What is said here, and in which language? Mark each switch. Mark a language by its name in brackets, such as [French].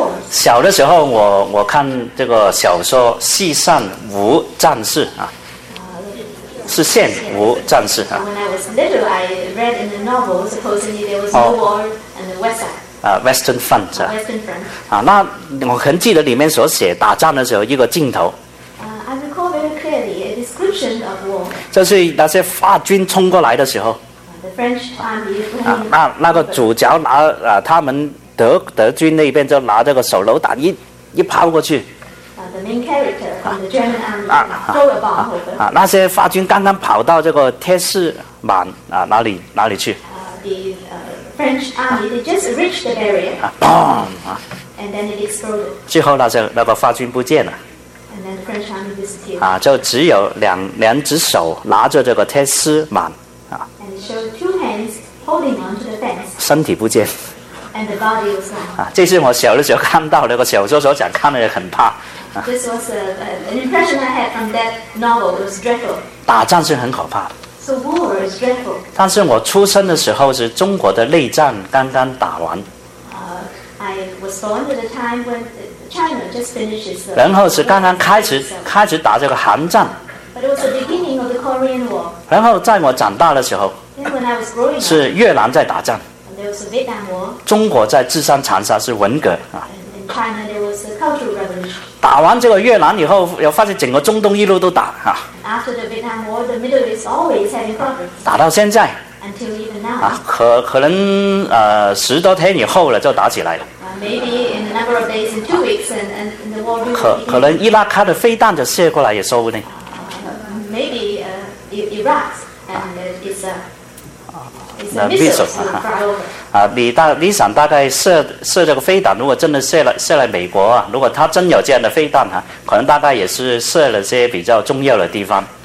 [Chinese] 小的时候我看这个小说《西善无战事》是《线无战事》 [English] When I was little, I read in the novel, supposedly there was no war and the West Side. Western Front, Western Front. [Chinese] 那我很记得里面所写打仗的时候一个镜头。 [English] I recall very clearly a description of war. [Chinese] 就是那些法军冲过来的时候。 [English] The French army. [Chinese] 那个主角拿他们德军那边就拿这个手榴弹一抛过去。 [English] The main character from the German army throw a bomb over. [Chinese] 那些法军刚刚跑到这个铁丝网哪里去？ [English] French army, they just reached the barrier. And then it exploded. [Chinese] 最后那个法军不见了。 [English] And then the French army disappeared. [Chinese] 就只有两只手拿着这个铁丝网。 [English] And it showed two hands holding on to the fence. [Chinese] 身体不见。 [English] And the body was gone. [Chinese] 这是我小的时候看到的，我小时候想看的也很怕。 [English] This was an impression I had from that novel. It was dreadful. [Chinese] 打仗是很可怕的。 [English] So war is dreadful. [Chinese] 但是我出生的时候是中国的内战刚刚打完。 [English] I was born at a time when China just finishes the. [Chinese] 然后是刚刚开始打这个韩战。 [English] But it was the beginning of the Korean War. [Chinese] 然后在我长大的时候。 [English] Then when I was growing up. [Chinese] 是越南在打仗。 [English] There was the Vietnam War. [Chinese] 中国在治丧长沙是文革。 [English] In China there was the Cultural Revolution. [Chinese] 打完这个越南以后，又发现整个中东一路都打。 [English] After the Vietnam War, the Middle East always having problems. [Chinese] 打到现在。 [English] Until even now. [Chinese] 可能十多天以后了，就打起来了。 [English] Maybe in a number of days, in 2 weeks, and the war. [Chinese] 可能伊拉克的飞弹就射过来也说不定。 [English] Maybe Iraq and it's a missile flyover. [Chinese] 你想大概射这个飞弹，如果真的射来美国如果他真有这样的飞弹可能大概也是射了些比较重要的地方。